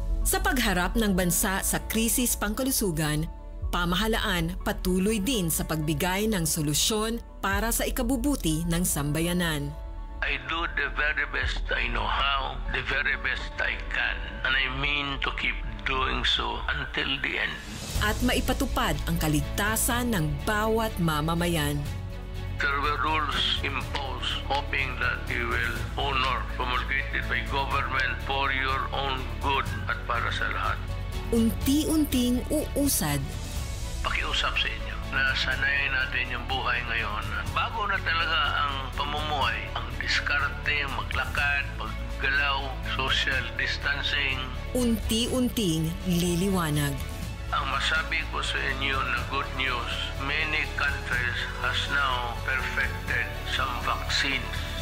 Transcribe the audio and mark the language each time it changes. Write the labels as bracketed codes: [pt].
[tl] Sa pagharap ng bansa sa krisis pangkalusugan, pamahalaan patuloy din sa pagbigay ng solusyon para sa ikabubuti ng sambayanan. [en] I do the very best I know how, the very best I can, and I mean to keep doing so until the end. [tl] At maipatupad ang kaligtasan ng bawat mamamayan. [en] There were rules imposed, hoping that you will honor, promulgated by government for your own good at para sa lahat. [tl] Unti-unting uusad. Pakiusap sa inyo na sanayin natin yung buhay ngayon. Bago na talaga ang pamumuhay, ang diskarte, maglakad, paggalaw, social distancing. Unti-unting liliwanag. Ang masabi ko sa inyo na [en] good news, many countries has now perfected some vaccines.